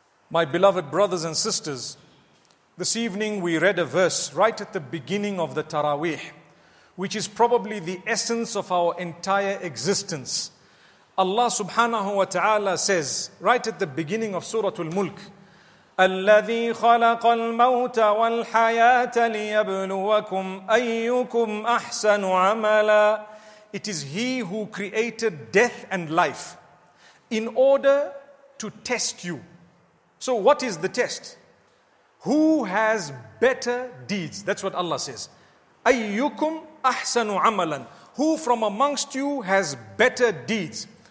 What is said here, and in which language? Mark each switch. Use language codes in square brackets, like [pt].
[en] My beloved brothers and sisters, this evening we read a verse right at the beginning of the Taraweeh, which is probably the essence of our entire existence. Allah subhanahu wa ta'ala says right at the beginning of Suratul Mulk, [ar] الذي خلق الموت والحياة ليبلوكم أيكم أحسن عملا. [en] It is He who created death and life in order to test you. So what is the test? Who has better deeds? That's what Allah says. [ar] أيكم أحسن عملا. [en] Who from amongst you has better deeds?